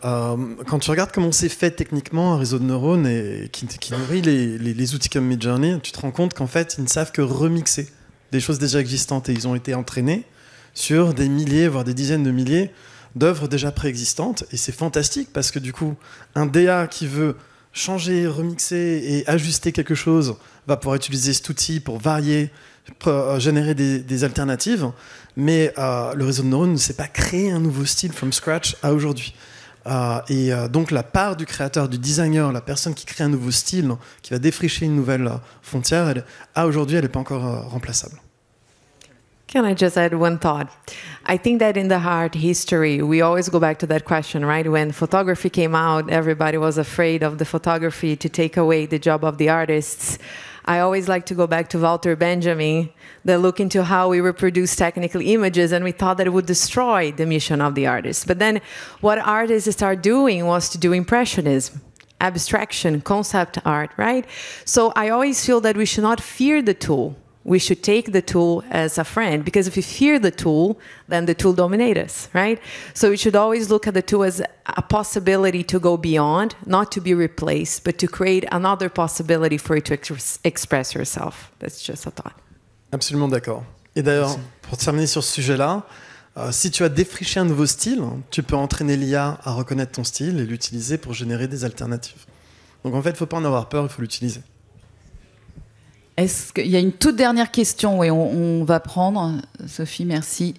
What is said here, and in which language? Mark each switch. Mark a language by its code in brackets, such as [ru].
[fr] Quand tu regardes comment c'est fait techniquement, un réseau de neurones et qui nourrit les outils comme Midjourney, tu te rends compte qu'en fait, ils ne savent que remixer des choses déjà existantes, et ils ont été entraînés sur des milliers, voire des dizaines de milliers d'œuvres déjà préexistantes, et c'est fantastique, parce que du coup, un DA qui veut changer, remixer et ajuster quelque chose va pouvoir utiliser cet outil pour varier, générer des alternatives, mais le réseau de neurones ne sait pas créer un nouveau style [en] from scratch [fr] à aujourd'hui. Donc la part du créateur, du designer, la personne qui crée un nouveau style, qui va défricher une nouvelle frontière, elle n'est pas encore remplaçable. [en] Can I just add one thought? I think that in the art history, we always go back to that question, right? When photography came out, everybody was afraid of the photography to take away the job of the artists. I always like to go back to Walter Benjamin, the look into how we reproduce technically images, and we thought that it would destroy the mission of the artist. But then what artists start doing was to do impressionism, abstraction, concept art, right? So I always feel that we should not fear the tool. We should take the tool as a friend, because if we fear the tool, then the tool dominates us, right? So we should always look at the tool as a possibility to go beyond, not to be replaced, but to create another possibility for it to express yourself. That's just a thought. [fr] Absolument d'accord. Et d'ailleurs, pour terminer sur ce sujet-là, si tu as défriché un nouveau style, tu peux entraîner l'IA à reconnaître ton style et l'utiliser pour générer des alternatives. Donc en fait, il ne faut pas en avoir peur, il faut l'utiliser. Est-ce qu'il y a une toute dernière question et on va prendre. Sophie, merci.